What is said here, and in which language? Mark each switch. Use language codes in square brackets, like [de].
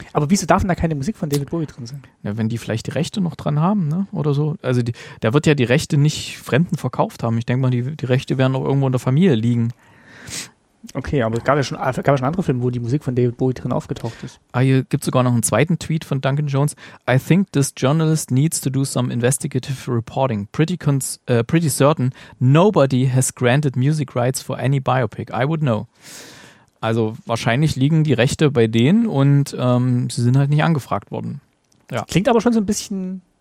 [de] Aber wieso darf denn da keine Musik von David Bowie drin sein? Ja, wenn die vielleicht die Rechte noch dran haben, ne, oder so. Also der wird ja die Rechte nicht Fremden verkauft haben. Ich denke mal, die Rechte werden auch irgendwo in der Familie liegen. Okay, aber es gab ja schon andere Filme, wo die Musik von David Bowie drin aufgetaucht ist. Ah, hier gibt es sogar noch einen zweiten Tweet von Duncan Jones. [en] I think this journalist needs to do some investigative reporting. Pretty certain nobody has granted music rights for any biopic. I would know. [de] Also wahrscheinlich liegen die Rechte bei denen und sie sind halt nicht angefragt worden. Ja. Klingt aber schon so ein bisschen